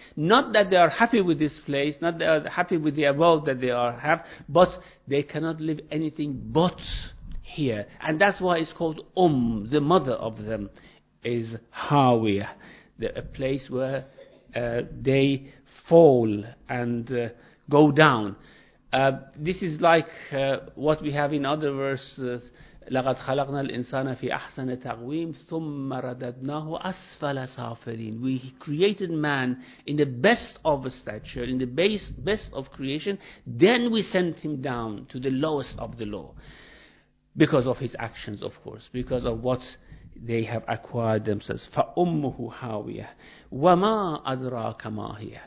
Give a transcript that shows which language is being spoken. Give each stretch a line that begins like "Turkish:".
English: Not that they are happy with this place, not that they are happy with the abode that they are have, but they cannot live anything but here. And that's why it's called the mother of them is Hawiyah, a place where they fall and go down. This is like what we have in other verses,
Arabic: لَقَدْ خَلَقْنَا الْإِنسَانَ فِي أَحْسَنَ تَقْوِيمٍ ثُمَّ رَدَدْنَاهُ أَسْفَلَ سَافِلِينَ.
English: We created man in the best of stature, in the best of creation, then we sent him down to the lowest of the low. Because of his actions, of course, because of what they have acquired themselves.
Arabic: فَأُمُّهُ هَاوِيَةٌ وَمَا أَدْرَاكَ مَا هِيَةٌ.